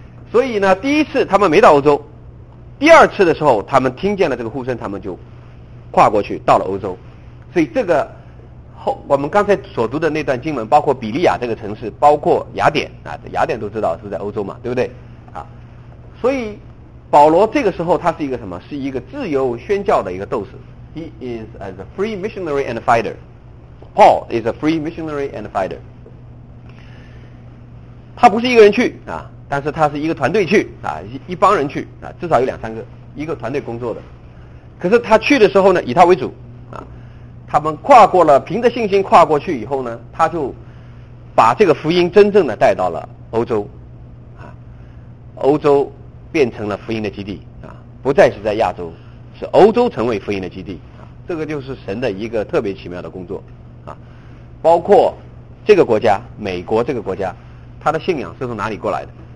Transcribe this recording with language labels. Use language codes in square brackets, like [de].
[zh] 所以呢第一次他们没到欧洲，第二次的时候他们听见了这个呼声，他们就跨过去到了欧洲。所以这个后我们刚才所读的那段经文，包括比利亚这个城市，包括雅典啊，雅典都知道是在欧洲嘛，对不对啊？所以保罗这个时候他是一个什么，是一个自由宣教的一个斗士。 [en] He is a free missionary and fighter. Paul is a free missionary and fighter. [zh] 他不是一个人去啊，但是他是一个团队去啊，一帮人去啊，至少有两三个，一个团队工作的。可是他去的时候呢，以他为主啊，他们跨过了，凭着信心跨过去以后呢，他就把这个福音真正的带到了欧洲啊，欧洲变成了福音的基地啊，不再是在亚洲，是欧洲成为福音的基地啊，这个就是神的一个特别奇妙的工作啊，包括这个国家，美国这个国家，他的信仰是从哪里过来的？